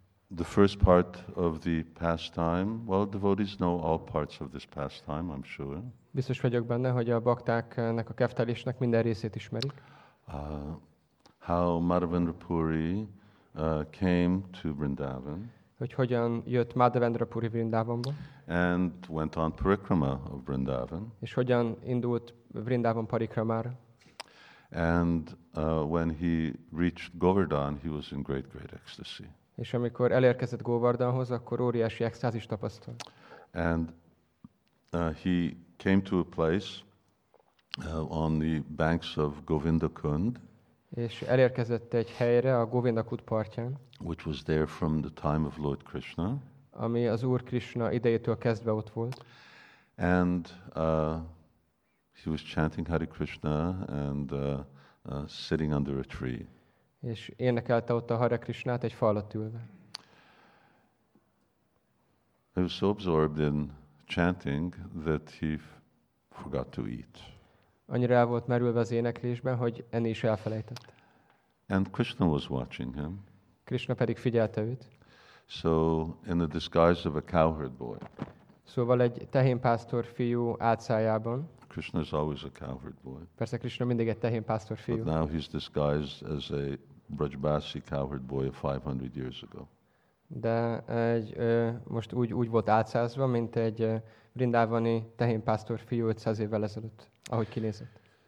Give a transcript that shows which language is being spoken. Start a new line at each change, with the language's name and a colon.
English: The first part of the pastime, well, devotees know all parts of this pastime, I'm sure.
Hungarian: Biztos vagyok benne, hogy a baktáknak a keftelésnek minden részét ismerik.
English: How Madhavendra Puri came to Vrindavan.
Hungarian: Hogy hogyan jött Madhavendra Puri Vrindavanba?
English: And went on parikrama of Vrindavan.
Hungarian: És hogyan indult Vrindavan parikramára?
English: And when he reached Govardhan, he was in great, great ecstasy.
Hungarian: És amikor elérkezett Govardhanhoz, akkor óriási extázist tapasztalt.
English: And he came to a place on the banks of Govindakund.
Hungarian: És elérkezett egy helyre a Govindakund partján.
English: Which was there from the time of Lord Krishna.
Hungarian: Ami az Úr Krishna idejétől kezdve ott volt.
English: And he was chanting Hare Krishna and sitting under a tree.
Hungarian: És énekelte ott a Hare Krishnát egy fa alatt ülve.
English: He was so absorbed in chanting that he forgot to eat.
Hungarian: Annyira el volt merülve az éneklésben, hogy enni is elfelejtett.
English: And Krishna was watching him.
Hungarian: Krishna pedig figyelte őt.
English: So in the disguise of a cowherd boy.
Hungarian: Szóval egy tehénpásztor fiú álcájában.
English: Krishna is always a cowherd boy.
Hungarian: Persze Krishna mindig egy tehénpásztor fiú.
English: But now he's disguised as a Brajbasi cowherd boy of 500 years ago.
Hungarian: De egy most úgy volt álcázva, mint egy Vrindavani tehénpásztor fiú 500 évvel ezelőtt, ahogy kinézett.